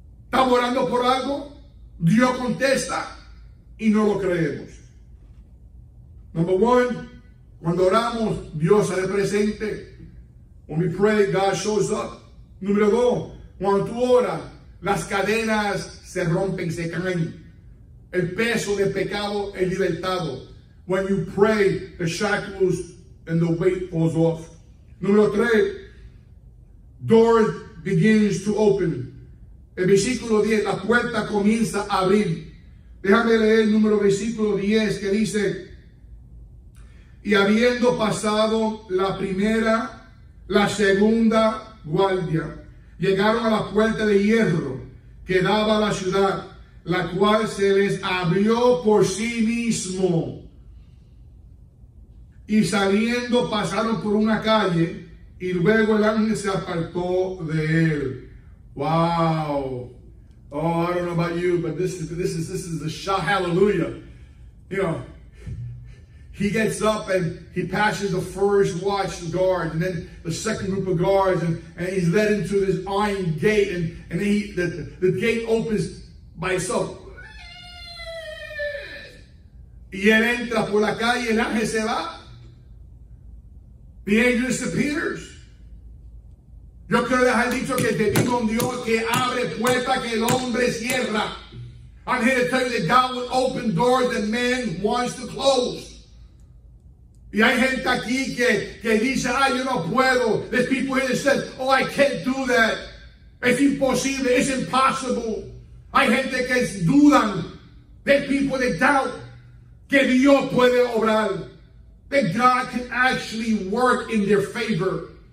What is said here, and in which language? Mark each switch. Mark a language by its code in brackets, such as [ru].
[es] Estamos orando por algo. Dios contesta. Y no lo creemos. [en] Number one, [es] cuando oramos, Dios sale presente. [en] When we pray, God shows up. [es] Número dos, cuando tú oras, las cadenas se rompen, se caen. El peso del pecado es libertado. [en] When you pray, the shackles and the weight falls off. [es] Número tres, [en] doors begins to open. [es] El versículo 10, la puerta comienza a abrir. Déjame leer el número versículo 10 que dice: y habiendo pasado la primera, la segunda guardia, llegaron a la puerta de hierro que daba a la ciudad, la cual se les abrió por sí mismo. Y saliendo pasaron por una calle, y luego el ángel se apartó de él. [en] ¡Wow! Oh, I don't know about you, but this is the shout hallelujah. You know, he gets up and he passes the first watch guard, and then the second group of guards, and he's led into this iron gate, and he the gate opens by itself. [es] Y él entra por la calle, el ángel se va. [en] The angel disappears. [es] Yo quiero dejar dicho que te digo un Dios que abre puertas que el hombre cierra. [en] I'm here to tell you that God will open doors that man wants to close. [es] Y hay gente aquí que dice, ay, yo no puedo. [en] There's people here that said, oh, I can't do that. [es] Es imposible. [en] It's impossible. [es] Hay gente que dudan. [en] There's people that doubt [es] que Dios puede obrar. [en] That God can actually work in their favor.